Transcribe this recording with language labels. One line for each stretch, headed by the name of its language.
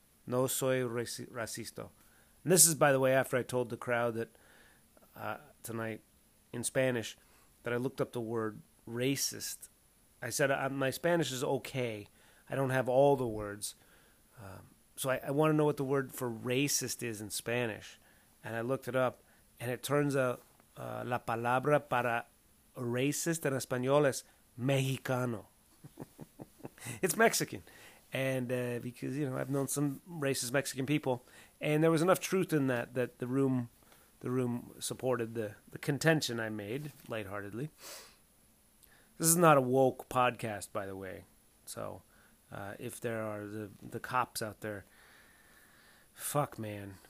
Spanish: No soy racista.
English: And this is, by the way, after I told the crowd that tonight in Spanish that I looked up the word racist. I said, my Spanish is okay. I don't have all the words. So I want to know what the word for racist is in Spanish. And I looked it up. And it turns out,
Spanish: la palabra para racist en español es mexicano.
English: It's Mexican. And because, you know, I've known some racist Mexican people. And there was enough truth in that the room supported the contention I made, lightheartedly. This is not a woke podcast, by the way. So if there are the cops out there, fuck, man.